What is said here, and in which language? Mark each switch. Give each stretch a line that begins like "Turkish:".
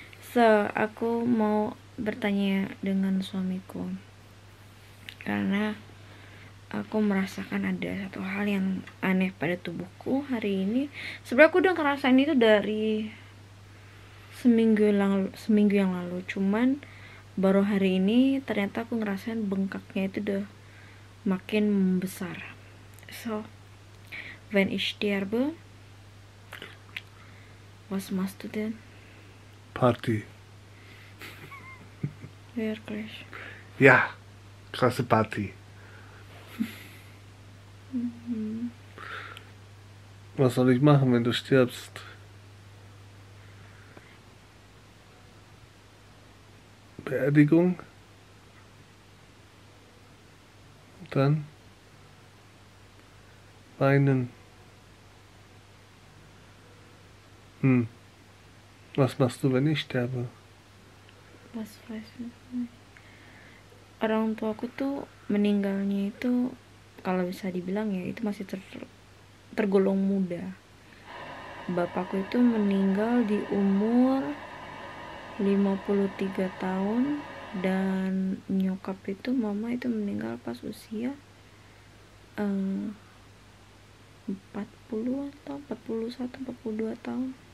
Indonesian: So aku mau bertanya dengan suamiku karena aku merasakan ada satu hal yang aneh pada tubuhku hari ini. Sebenarnya aku udah ngerasain itu dari seminggu yang lalu. Cuman baru hari ini ternyata aku ngerasain bengkaknya itu udah makin membesar.
German: So, wenn ich sterbe, was machst du denn? Party. Wirklich? Ja, krasse Party. Was soll ich machen, wenn du stirbst? Beerdigung? Dann? Weinen? Was machst du, wenn ich sterbe? Was weiß ich nicht.
Indonesian: Orang tuaku tuh meninggalnya itu kalau bisa dibilang ya itu masih tergolong muda. Bapakku itu meninggal di umur 53 tahun dan nyokap itu mama itu meninggal pas usia 40 atau 41 42 tahun.